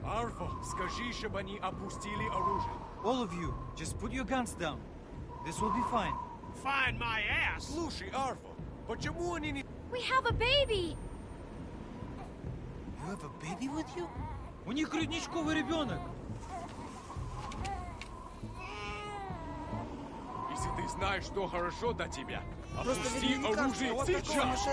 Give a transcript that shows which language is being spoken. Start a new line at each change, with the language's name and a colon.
Russian: Арфа, скажи, чтобы они опустили оружие.
English: All of you, just put your guns down. This will be fine. Find my ass!
Russian: Слушай, Арфа, почему они не...
English: We have a baby! You have a baby with you?
Russian: У них грудничковый ребенок. Если ты знаешь, что хорошо для тебя, опусти оружие сейчас!